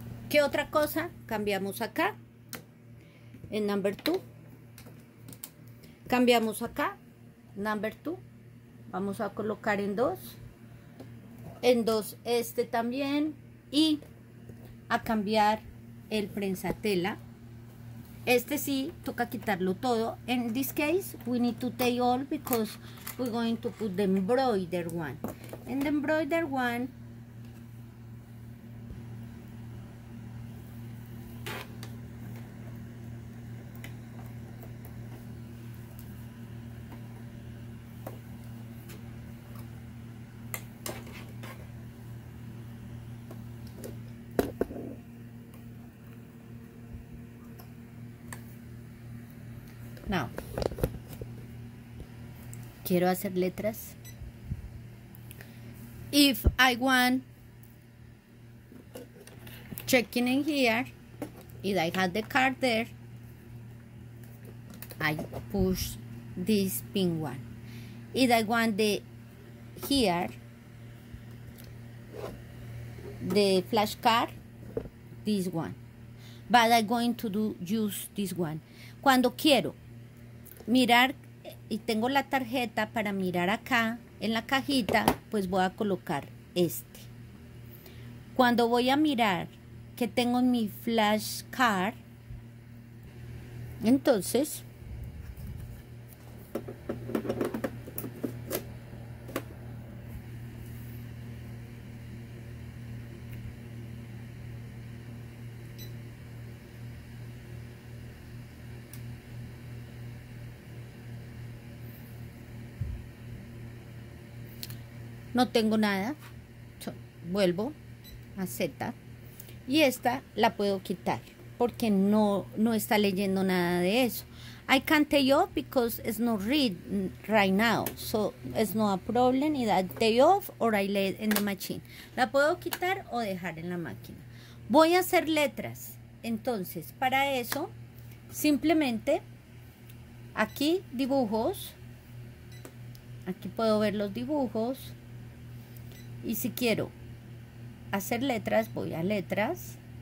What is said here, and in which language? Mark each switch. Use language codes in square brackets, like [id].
[es] ¿Qué otra cosa cambiamos acá? En [en] number two. [es] Cambiamos acá, [en] number two. [es] Vamos a colocar en dos este también y a cambiar el prensatela. Este sí, toca quitarlo todo. [en] In this case, we need to take all because we're going to put the embroider one. In the embroider one, no. [es] Quiero hacer letras. [en] If I want checking in here, if I have the card there, I push this pink one. If I want the here, the flash card, this one. But I'm going to do use this one. [es] Cuando quiero mirar y tengo la tarjeta para mirar acá en la cajita, pues voy a colocar este. Cuando voy a mirar que tengo mi flash card, entonces no tengo nada. Vuelvo a Z. Y esta la puedo quitar porque no está leyendo nada de eso. [en] I can't tell you because it's not read right now. So it's not a problem either day off or I lay in the machine. [es] La puedo quitar o dejar en la máquina. Voy a hacer letras. Entonces, para eso, simplemente aquí dibujos. Aquí puedo ver los dibujos. Y si quiero hacer letras, voy a letras.